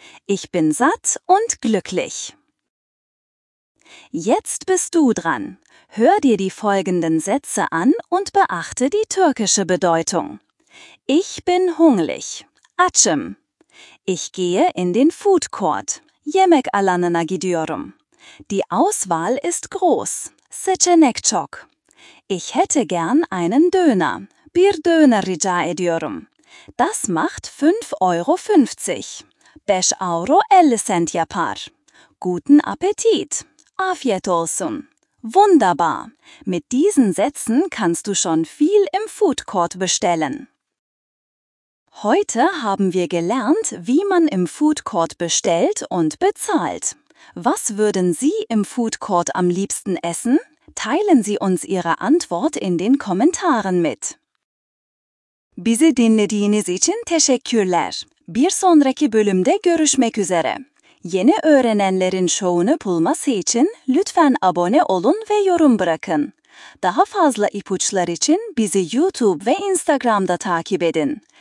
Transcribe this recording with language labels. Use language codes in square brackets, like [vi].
[de] Ich bin satt und glücklich. Jetzt bist du dran. Hör dir die folgenden Sätze an und beachte die türkische Bedeutung. Ich bin hungrig. [tr] Açım. [de] Ich gehe in den Food Court. [tr] Yemek alanına gidiyorum. [de] Die Auswahl ist groß. [tr] Seçenek çok. [de] Ich hätte gern einen Döner. [tr] Bir döner rica ediyorum. [de] Das macht 5,50 Euro. [tr] 5 Euro 50 Cent yapar. [de] Guten Appetit. [tr] Afiyet olsun. [de] Wunderbar. Mit diesen Sätzen kannst du schon viel im Food Court bestellen. Heute haben wir gelernt, wie man im Food Court bestellt und bezahlt. Was würden Sie im Food Court am liebsten essen? Teilen Sie uns Ihre Antwort in den Kommentaren mit. [tr] Bizi dinlediğiniz için teşekkürler. Bir sonraki bölümde görüşmek üzere. Yeni öğrenenlerin şovunu bulması için lütfen abone olun ve yorum bırakın. Daha fazla ipuçlar için bizi YouTube ve Instagram'da takip edin.